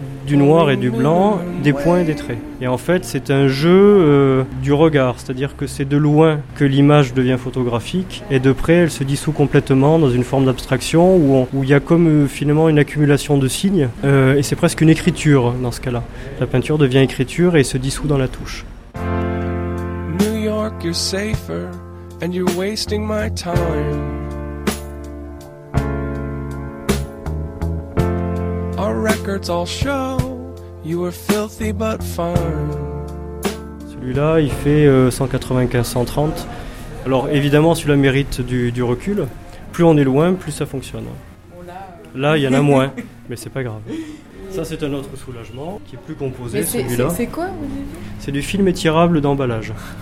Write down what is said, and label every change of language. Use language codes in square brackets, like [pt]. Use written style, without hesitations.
[fr] Du noir et du blanc, des points et des traits. Et en fait, c'est un jeu du regard, c'est-à-dire que c'est de loin que l'image devient photographique, et de près, elle se dissout complètement dans une forme d'abstraction où il y a comme finalement une accumulation de signes, et c'est presque une écriture dans ce cas-là. La peinture devient écriture et se dissout dans la touche. [en] New York, you're safer, and you're wasting my time. Records all show you were filthy but fine. [fr] Celui-là, il fait 195-130. Alors évidemment, celui-là mérite du recul. Plus on est loin, plus ça fonctionne. Là, il y en a moins, mais c'est pas grave. Ça, c'est un autre soulagement qui est plus composé, mais celui-là. C'est quoi, vous avez dit ? C'est du film étirable d'emballage.